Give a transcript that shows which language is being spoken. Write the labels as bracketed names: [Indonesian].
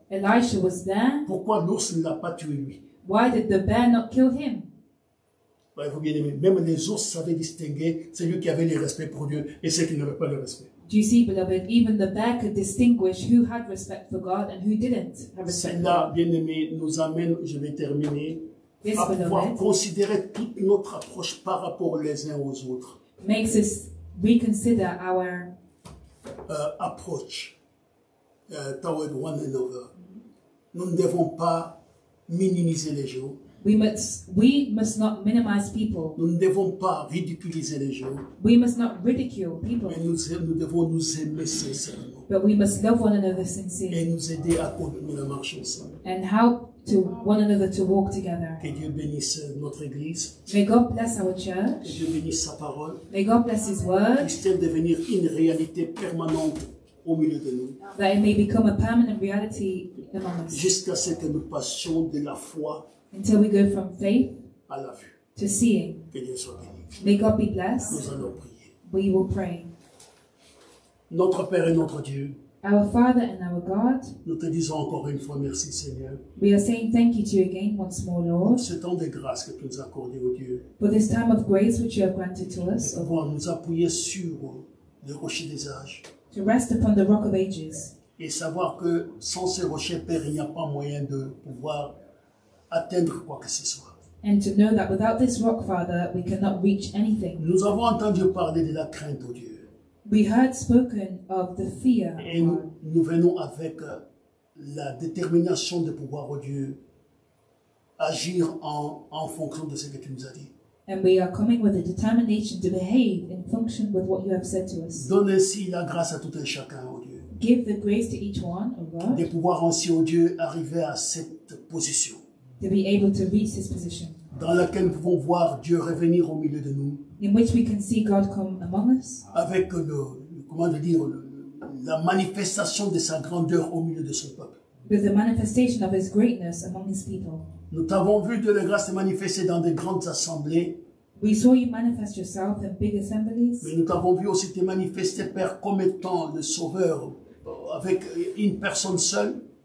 [English] Elisha was there. [French] Pourquoi l'ours ne l'a pas tué lui? [English] Why did the bear not kill him? [French] Bah, vous bien aimez, même les ours savaient distinguer celui qui avait le respect pour Dieu et celui qui n'avait pas le respect. [English] Do you see, beloved, even the bear could distinguish who had respect for God and who didn't have respect for God. [French] Cela, bien aimé, nous amène, je vais terminer, [English] this, [French] à pouvoir considérer toute notre approche par rapport les uns aux autres. [English] Makes us reconsider our approach toward one another. [French] Nous ne devons pas minimiser les gens. [English] We must not minimize people. [French] Nous ne devons pas ridiculiser les gens. [English] We must not ridicule people. [French] Mais nous devons nous aimer sincèrement. [English] But we must love one another sincerely. [French] Et nous aider à continuer à marcher ensemble. [English] And help to one another to walk together. [French] Que Dieu bénisse notre église. [English] May God bless our church. [French] Que Dieu bénisse sa parole. [English] May God bless His word. [French] Puisse-t-elle devenir une réalité permanente au milieu de nous. [English] That it may become a permanent reality among us. [French] Jusqu'à ce que nous passions de la foi. [English] Until we go from faith [French] à la vue. [English] To seeing. [French] Que Dieu soit béni. [English] May God be blessed. [French] Nous allons prier. [English] We will pray. [French] Notre Père et notre Dieu. [English] Our Father and our God. [French] Nous te disons encore une fois merci, Seigneur. [English] We are saying thank you to you again once more, Lord. [French] Pour ce temps de grâce que tu nous as accordé, oh Dieu. [English] For this time of grace which you have granted to us. [French] Et pouvoir nous appuyer sur le rocher des âges. [English] To rest upon the rock of ages. [French] Et savoir que sans ce rocher, Père, il n'y a pas moyen de pouvoir atteindre quoi que ce soit. [English] And to know that without this rock, Father, we cannot reach anything. [French] Nous avons entendu parler de la crainte, oh Dieu. [English] We heard spoken of the fear. [French] Et nous venons avec la détermination de pouvoir, oh Dieu, agir en fonction de ce que tu nous as dit. [English] And we are coming with a determination to behave in function with what you have said to us. [French] Donne ainsi la grâce à tout un chacun, oh Dieu. [English] Give the grace to each one, oh God. [French] De pouvoir ainsi, oh Dieu, arriver à cette position. [English] To be able to reach this position. [French] Dans laquelle nous pouvons voir Dieu revenir au milieu de nous. [English] In which we can see God come among us. [French] Avec la manifestation de sa grandeur au milieu de son peuple. [English] With the manifestation of his greatness among his people. [French] Nous t'avons vu de la grâce se manifester dans des grandes assemblées. [English] We saw you manifest yourself in big assemblies. [French] Mais nous t'avons vu aussi te manifester, Père, comme étant le Sauveur avec une personne seule.